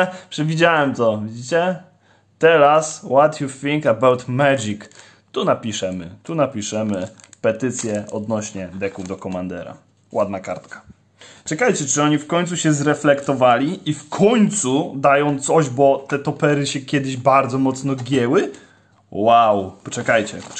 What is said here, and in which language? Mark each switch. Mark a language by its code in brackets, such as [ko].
[pl] Przewidziałem to, widzicie? Teraz, [en] what you think about magic? [pl] Tu napiszemy petycję odnośnie deków do Commandera. Ładna kartka. Czekajcie, czy oni w końcu się zreflektowali i w końcu dają coś, bo te topery się kiedyś bardzo mocno gieły? Wow, poczekajcie.